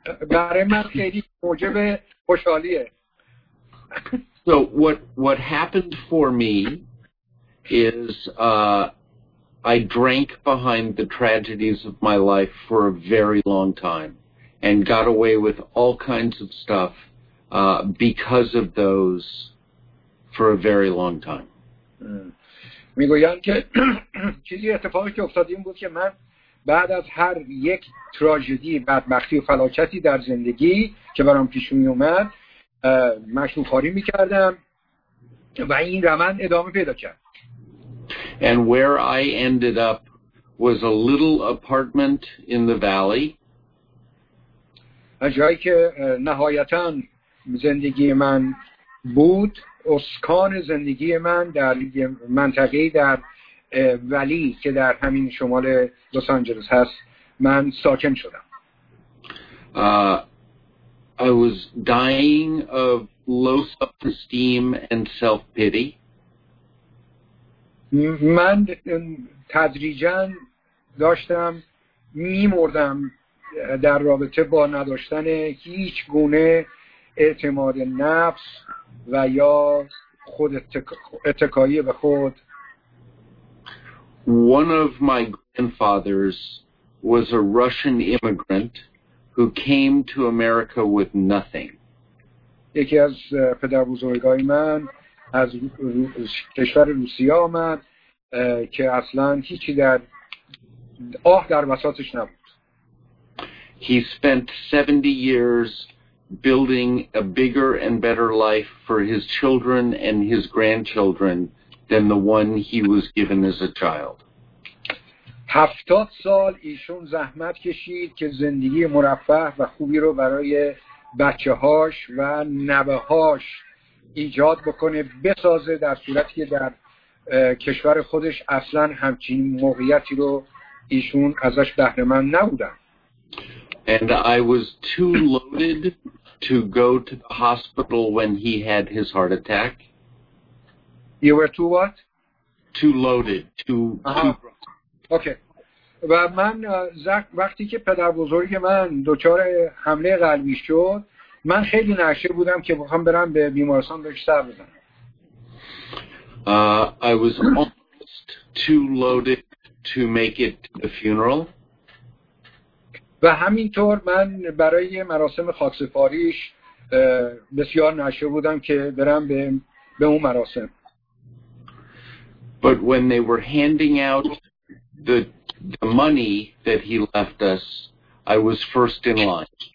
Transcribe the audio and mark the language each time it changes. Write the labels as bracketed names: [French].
[Persian] برای من خیلی موجب خوشحالیه. [English] So what happened for me is I drank behind the tragedies of my life for a very long time and got away with all kinds of stuff because of those for a very long time. [Persian] میگویند که چیزی اتفاقی که افتاد این بود که من بعد از هر یک تراژدی بدبختی و فلاکتی در زندگی که برام پیش می اومد مشروب‌خواری میکردم و این روند ادامه پیدا کرد. [English] And where I ended up was a little apartment in the valley. [Persian] جایی که نهایتاً زندگی من بود، اسکان زندگی من در منطقه‌ای در ولی که در همین شمال لس آنجلس هست، من ساکن شدم. [English] I was dying of low self-esteem and self-pity. [Persian] من تدریجا داشتم میمردم در رابطه با نداشتن هیچ گونه اعتماد نفس و یا خود اتکایی به خود. [English] One of my grandfathers was a Russian immigrant who came to America with nothing. [Persian] یکی از پدر بزرگای من از کشور روسیه آمد که اصلاً هیچی در آه در وساطش نبود. [English] He spent 70 years building a bigger and better life for his children and his grandchildren than the one he was given as a child. [Persian] 70 سال ایشون زحمت کشید که زندگی مرفه و خوبی رو برای بچه‌هاش و نوه‌هاش ایجاد بکنه، بسازه، در صورتی که در کشور خودش اصلا همچین موقعیتی رو ایشون ازش بهره‌مند نبودن. [English] And I was too loaded to go to the hospital when he had his heart attack. You were too what? Too loaded. Too. Okay. [Persian] و من وقتی که پدر بزرگ من دچار حمله قلبی شد، من خیلی نشه بودم که بخوام برم به بیمارستان بهش سر بزنم. [English] I was almost too loaded to make it to the funeral. [Persian] و همینطور من برای مراسم خاکسپاریش بسیار نشه بودم که برم به اون مراسم. [English] But when they were handing out the money that he left us, I was first in line.